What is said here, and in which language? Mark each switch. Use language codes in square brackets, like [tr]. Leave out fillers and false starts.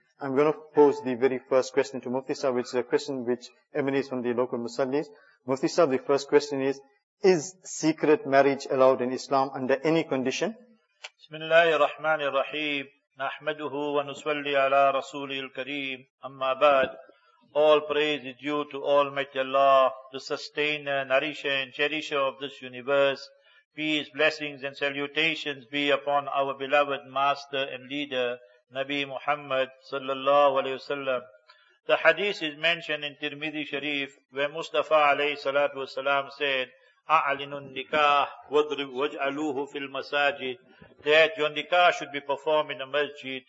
[en] I'm going to pose the very first question to Mufti Sahib, which is a question which emanates from the local Musallis. Mufti Sahib, the first question is secret marriage allowed in Islam under any condition? [ar] Bismillahir Rahmanir Rahim. نحمده ونصلي على رسوله الكريم أما بعد. [en] All praise is due to Almighty Allah, the Sustainer, Nourisher and Cherisher of this universe. Peace, blessings and salutations be upon our beloved Master and Leader, Nabi Muhammad sallallahu alayhi wasallam. The hadith is mentioned in Tirmidhi Sharif, where Mustafa alayhi salatu wasalam said, [ar] أعلن النكاح واجعلوه في المساجد, [en] that your nikah should be performed in a masjid.